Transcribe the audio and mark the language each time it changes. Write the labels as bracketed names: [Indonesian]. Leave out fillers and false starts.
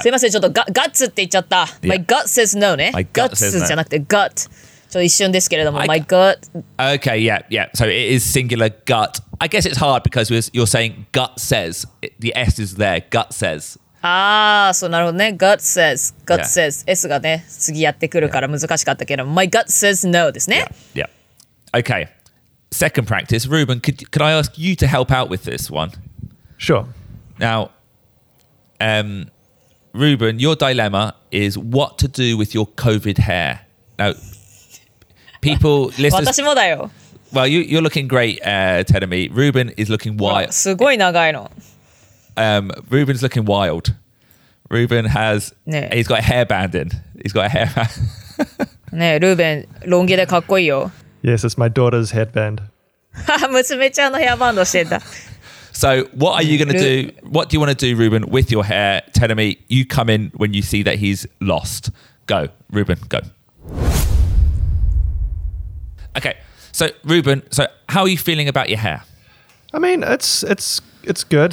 [Japanese] すいません、ちょっと guts って言っちゃった。 [English] Yeah. My gut says no, ね。 My gut says no. [Japanese] じゃなくて gut。ちょっと一瞬ですけれども、 [English] my gut. Okay, yeah, yeah. So it is singular gut. I guess it's hard because you're saying gut says. The S is there. Gut says. Ah, so [Japanese] なるほどね。 [English] Gut says. Gut、yeah. [Japanese] says. S がね、次やってくるから難しかったけど、yeah. [English] my gut says no [Japanese] ですね。 [English] Yeah. yeah. Okay. Second practice. Ruben, could I ask you to help out with this one? Sure. Now, Ruben, your dilemma is what to do with your COVID hair. Now,People, listeners, [Japanese] 私もだよ。 [English] Well, you're looking great, Tenami. Ruben is looking wild. [Japanese] すごい長いの。 [English] Ruben's looking wild. Ruben has,、ね、he's got a hair band in. He's got a hair band. [Japanese] ね、ルーベン、ロン毛でかっこいいよ。 [English] Yes, it's my daughter's headband. [Japanese] 娘ちゃんのヘアバンドしてた。 [English] So, what are you going to do? What do you want to do, Ruben, with your hair? Tenami, you come in when you see that he's lost. Go, Ruben, go. Okay, so Ruben, so how are you feeling about your hair? I mean, it's good.